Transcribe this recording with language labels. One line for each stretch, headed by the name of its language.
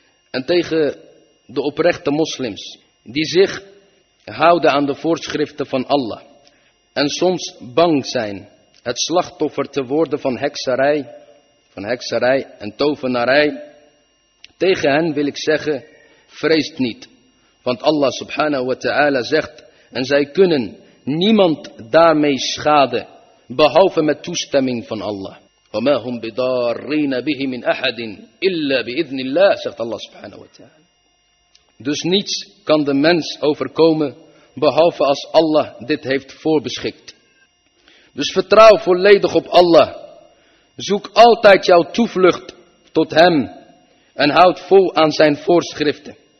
Dutch: En tegen de oprechte moslims die zich houden aan de voorschriften van Allah en soms bang zijn het slachtoffer te worden van hekserij, en tovenarij, tegen hen wil ik zeggen, vreest niet. Want Allah subhanahu wa ta'ala zegt, en zij kunnen niemand daarmee schaden, behalve met toestemming van Allah.
Arabic: وَمَا هُمْ بِدَارِّينَ بِهِ مِنْ أَحَدٍ إِلَّا بِإِذْنِ اللَّهِ,
Dutch: zegt Allah subhanahu wa ta'ala. Dus niets kan de mens overkomen, behalve als Allah dit heeft voorbeschikt. Dus vertrouw volledig op Allah. Zoek altijd jouw toevlucht tot Hem en houd vol aan zijn voorschriften.